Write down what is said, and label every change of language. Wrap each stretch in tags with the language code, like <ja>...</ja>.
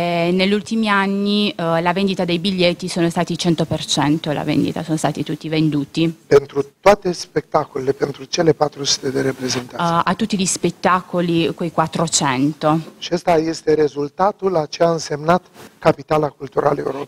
<it>Negli ultimi anni la vendita dei biglietti sono stati 100%, la vendita sono stati tutti venduti.</it> <ro>Pentru toate spectacolele, pentru cele 400 de reprezentații.</ro> <it>A tutti gli spettacoli quei 400.</it> <ro>Și ăsta este rezultatul a ce a însemnat capitala culturală europeană.</ro>